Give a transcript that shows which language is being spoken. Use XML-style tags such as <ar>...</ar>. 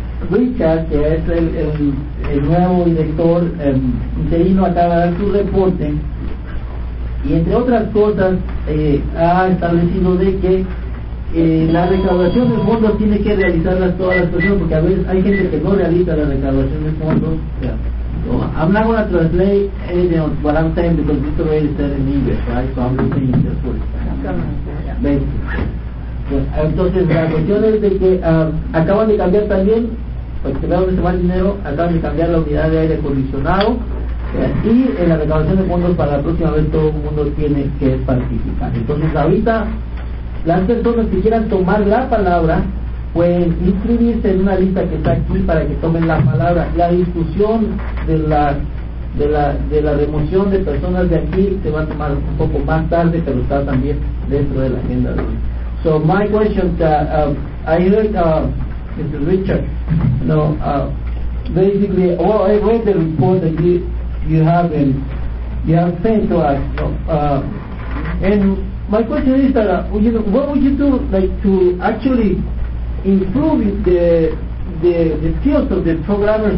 <es>Richard, que es el nuevo director, interino, acaba de dar su reporte, y entre otras cosas ha establecido de que la recaudación de fondos tiene que realizarlas todas las personas, porque a veces hay gente que no realiza la recaudación de fondos. Hablamos de la ley,</es> <en>what I'm saying, because this already said in English, right? So I'm just saying it just for</en> <es>entonces la cuestión es de que acaban de cambiar también, porque se ve donde se va el dinero, acaban de cambiar la unidad de aire acondicionado, y en la recaudación de fondos para la próxima vez todo el mundo tiene que participar. Entonces ahorita las personas que quieran tomar la palabra pueden inscribirse en una lista que está aquí para que tomen la palabra. La discusión de la remoción de personas de aquí se va a tomar un poco más tarde, pero está también dentro de la agenda de hoy.</es> <en>So my question, I heard Mr. Richard, basically, well, I read the report that you have sent to us. And my question is that, what would you do, to actually improve the skills of the programmers?</en>